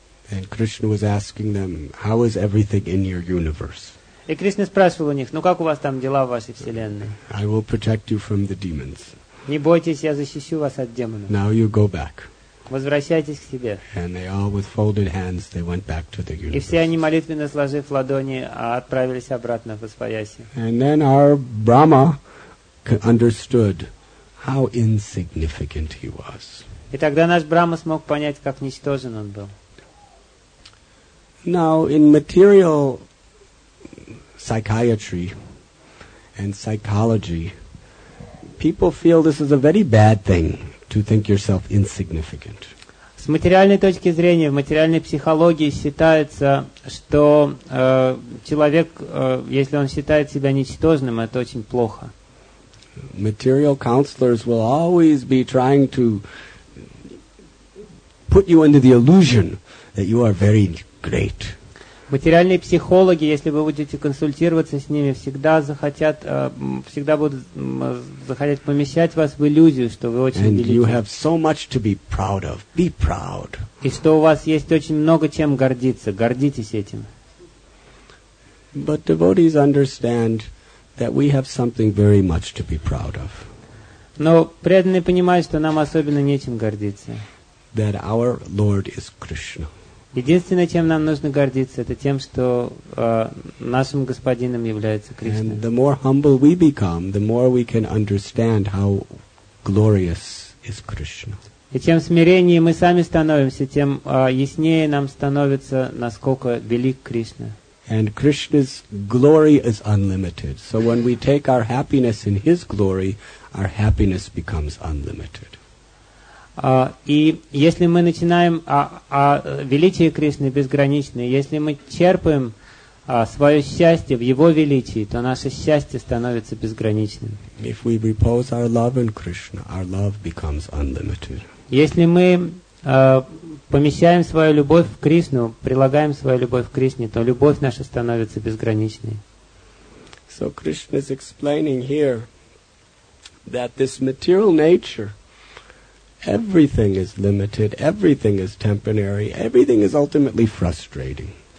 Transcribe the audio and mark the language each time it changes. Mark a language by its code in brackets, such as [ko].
[en] And Krishna was asking them, how is everything in your universe? [ru] И Кришна спрашивал у них, ну как у вас там дела в вашей вселенной? [en] I will protect you from the demons. [ru] Не бойтесь, я защищу вас от демонов. [en] Now you go back. [ru] Возвращайтесь к себе. [en] And they all with folded hands, they went back to their universe. [ru] И все они молитвенно сложив ладони, отправились обратно в освояси. [en] And then our Brahma understood how insignificant he was. [ru] И тогда наш Брама смог понять, как ничтожен он был. [en] Now in material psychiatry and psychology, people feel this is a very bad thing to think yourself insignificant. [ru] С материальной точки зрения, в материальной психологии считается, что человек, если он считает себя ничтожным, это очень плохо. [en] Material counselors will always be trying to put you under the illusion that you are very great. [ru] Материальные психологи, если вы будете консультироваться с ними, всегда будут захотят помещать вас в иллюзию, что вы очень [en] And [ru] велики. [en] You have so much to be proud of. Be proud. [ru] И что у вас есть очень много чем гордиться. Гордитесь этим. [en] But devotees understand that we have something very much to be proud of. [ru] Но преданные понимают, что нам особенно нечем гордиться. [en] That our Lord is Krishna. [ru] Единственное, чем нам нужно гордиться, это тем, что нашим господином является Кришна. [en] And the more humble we become, the more we can understand how glorious is Krishna. [ru] И чем смиреннее мы сами становимся, тем яснее нам становится, насколько велик Кришна. [en] And Krishna's glory is unlimited. So when we take our happiness in His glory, our happiness becomes unlimited. [ru] И если мы начинаем, величие Кришны безграничное, если мы черпаем свое счастье в Его величии, то наше счастье становится безграничным. [en] If we repose our love in Krishna, our love becomes unlimited. [ru] Если мы помещаем свою любовь в Кришну, прилагаем свою любовь к Кришне, то любовь наша становится безграничной. [en] So Krishna is explaining here that this material nature, everything is limited, everything is temporary, everything is ultimately frustrating.